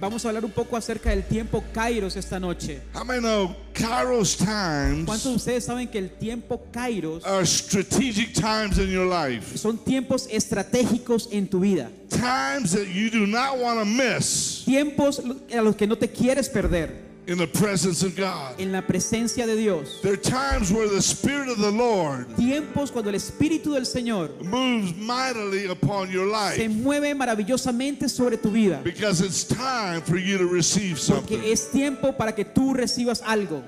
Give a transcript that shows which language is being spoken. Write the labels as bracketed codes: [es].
[es] Vamos a hablar un poco acerca del tiempo Kairos esta noche. [en] How many know Kairos times? [es] ¿Cuántos de ustedes saben que el tiempo Kairos [en] are strategic times in your life? [es] Son tiempos estratégicos en tu vida. [en] Times that you do not want to miss. [es] Tiempos a los que no te quieres perder. [en] In the presence of God. [es] En la presencia de Dios. [en] There are times where the Spirit of the Lord. [es] Tiempos cuando el Espíritu del Señor. [en] Moves mightily upon your life. [es] Se mueve maravillosamente sobre tu vida. [en] Because it's time for you to receive something. [es] Porque es tiempo para que tú recibas algo.